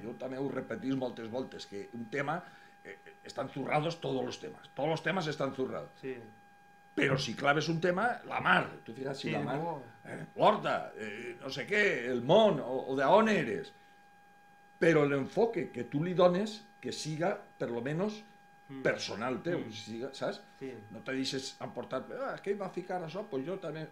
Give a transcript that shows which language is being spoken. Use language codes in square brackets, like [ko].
[ca] Jo també ho repetís moltes voltes, que un tema... [es] estan zurrados todos los temas. Todos los temas están zurrados. Sí. [ca] Però si claves un tema, la mar. Tu fijas, si sí, la mar... l'horta, no sé què, el món, o d'on eres. Però l'enfoque que tu li dones, que siga, per lo menos... personal teu, saps? Sí. No te deixes emportar, que ell va ficar això, doncs jo també...